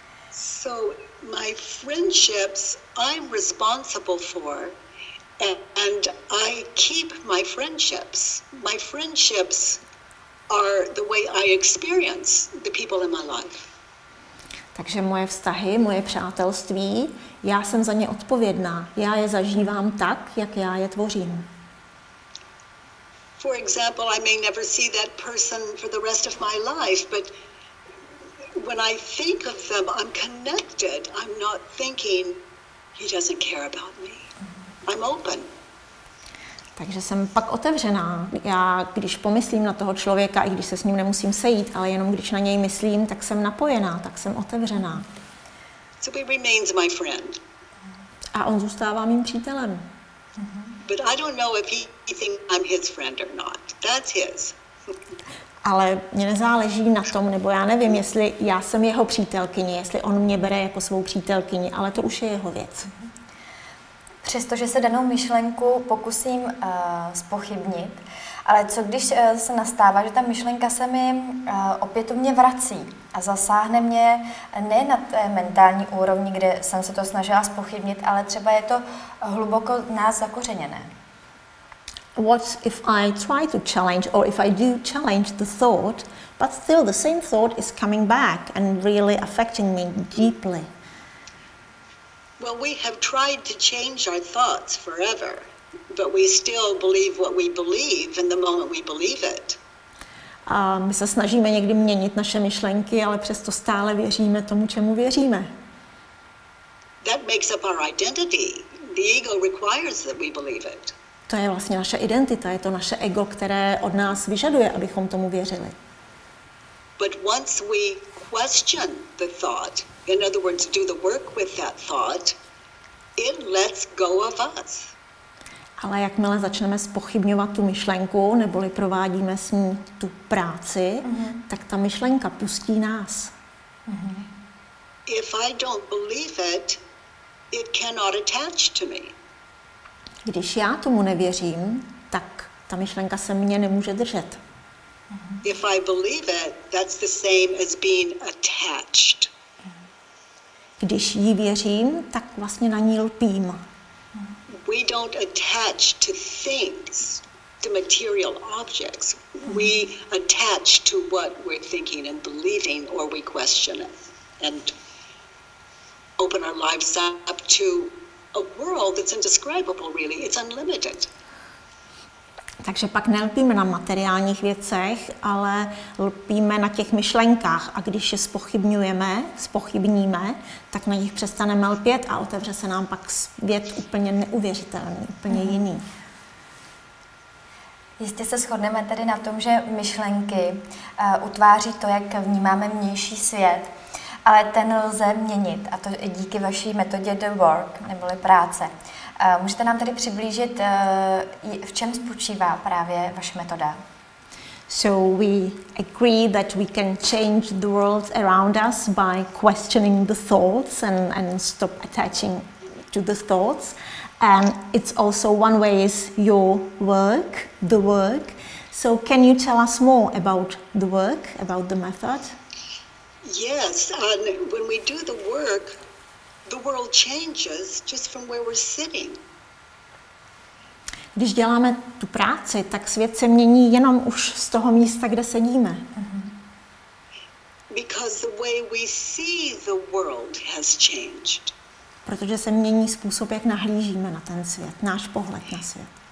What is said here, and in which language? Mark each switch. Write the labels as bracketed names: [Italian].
[English] So my friendships I'm responsible for and I keep my friendships. My friendships are the way I experience the people in my life. [Czech] Takže moje vztahy, moje přátelství, já jsem za ně odpovědná. Já je zažívám tak, jak já je tvořím. [English] For example, I may never see that person for the rest of my life, but when I think of them, I'm connected. I'm not thinking he doesn't care about me. I'm open. [Czech] Takže jsem pak otevřená. Já, když pomyslím na toho člověka, i když se s ním nemusím sejít, ale jenom když na něj myslím, tak jsem napojená, tak jsem otevřená. [English] So he remains my friend. [Czech] A on zůstává mým přítelem. [English] But I don't know if he thinks I'm his friend or not. That's his. [Czech] Ale mě nezáleží na tom, nebo já nevím, jestli já jsem jeho přítelkyni, jestli on mě bere jako svou přítelkyni, ale to už je jeho věc. Přestože se danou myšlenku pokusím zpochybnit, ale co když se nastává, že ta myšlenka se mi opětovně vrací a zasáhne mě ne na té mentální úrovni, kde jsem se to snažila zpochybnit, ale třeba je to hluboko nás zakořeněné. [English] What if I try to challenge, or if I do challenge the thought, but still the same thought is coming back and really affecting me deeply? Well, we have tried to change our thoughts forever, but we still believe what we believe in the moment we believe it. [Czech] My se snažíme někdy měnit naše myšlenky, ale přesto stále věříme tomu, čemu věříme. [English] That makes up our identity. The ego requires that we believe it. [Czech] To je vlastně naše identita, je to naše ego, které od nás vyžaduje, abychom tomu věřili. [English] But once we question the thought, in other words, do the work with that thought, it lets go of us. [Czech] Ale jakmile začneme zpochybňovat tu myšlenku, neboli provádíme s ní tu práci, tak ta myšlenka pustí nás. [English] If I don't believe it, it cannot attach to me. [Czech] Když já tomu nevěřím, tak ta myšlenka se mě nemůže držet. [English] If I believe it, that's the same as being attached. [Czech] Když jí věřím, tak vlastně na ní lpím. [English] We don't attach to things, to material objects. We attach to what we're thinking and believing, or we question it and open our lives up to a world that's indescribable, really. It's unlimited. [Czech] Takže pak nelpíme na materiálních věcech, ale lpíme na těch myšlenkách. A když je spochybníme, tak na nich přestaneme lpět a otevře se nám pak svět úplně neuvěřitelný, úplně jiný. Jistě se shodneme tedy na tom, že myšlenky utváří to, jak vnímáme vnější svět. Ale ten lze měnit, a to díky vaší metodě The Work, neboli práce. Můžete nám tedy přiblížit, v čem spočívá právě vaše metoda? [English] So we agree that we can change the world around us by questioning the thoughts and stop attaching to the thoughts. And it's also one way is your work, The Work. So can you tell us more about The Work, about the method? Yes, and when we do the work, the world changes just from where we're sitting. [Czech] Když děláme tu práci, tak svět se mění jenom už z toho místa, kde sedíme. [English] Because the way we see the world has changed. [Czech] Protože se mění způsob, jak nahlížíme na ten svět, náš pohled na svět.